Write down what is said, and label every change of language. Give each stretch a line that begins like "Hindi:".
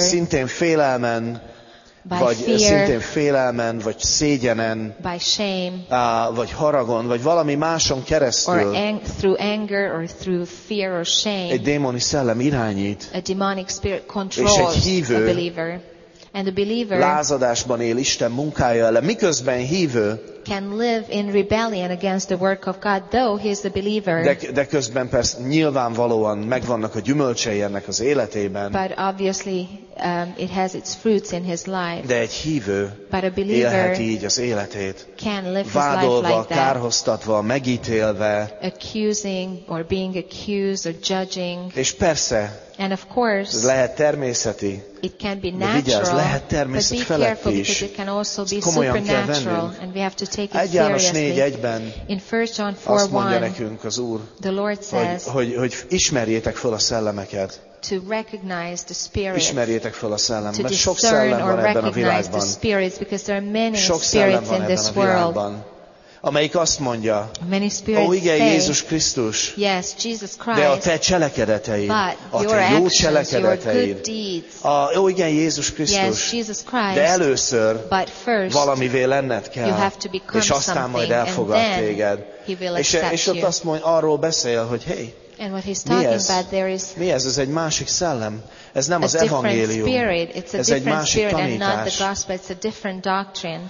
Hungarian: szintén félelmen, vagy szintén félelmen, vagy szégyenen,
English: by shame,
Hungarian: vagy haragon, vagy valami máson keresztül,
English: or through anger, or through fear or shame,
Hungarian: egy démoni szellem irányít,
English: a demonic spirit controls,
Hungarian: és egy hívő
English: a believer, and a believer,
Hungarian: lázadásban él Isten munkája ellen, miközben hívő,
English: can live in rebellion against the work of God, though he is a believer.
Hungarian: De közben persze nyilvánvalóan megvannak a gyümölcsei ennek az életében.
English: But obviously, it has its fruits in his life.
Hungarian: De egy hívő,
English: but a believer,
Hungarian: élheti így az életét.
English: Can live
Hungarian: vádolva,
English: his life like that.
Hungarian: Kárhoztatva, megítélve.
English: Accusing or being accused or judging.
Hungarian: És persze,
English: and of course,
Hungarian: ez lehet természeti.
English: It can be natural.
Hungarian: De vigyázz, lehet természet feletti is.
English: But be careful because it can also be supernatural.
Hungarian: Ezt komolyan kell vennünk.
English: And we have to take it seriously. 1 John 4:1 In 1 John 4:1
Hungarian: nekünk az Úr,
English: the Lord says,
Hungarian: hogy ismerjétek fel a szellemeket.
English: To recognize the spirits,
Hungarian: ismerjétek fel a szellem, mert sok szellem van ebben a világban. Sok szellem van ebben a világban, amelyik azt mondja, ó, igen, Jézus Krisztus,
English: yes, Jesus Christ,
Hungarian: de a te cselekedeteid, a te jó cselekedeteid, ó, igen, Jézus Krisztus,
English: yes, Jesus Christ,
Hungarian: de először
English: first,
Hungarian: valamivé lenned kell,
English: you have to become,
Hungarian: és aztán majd elfogad téged. És ott azt mondja, arról beszél, hogy hey,
English: and what he's talking about, there is
Hungarian: mi ez? Ez egy másik szellem. Ez nem az evangélium. Ez egy másik tanítás.
English: It's a different doctrine.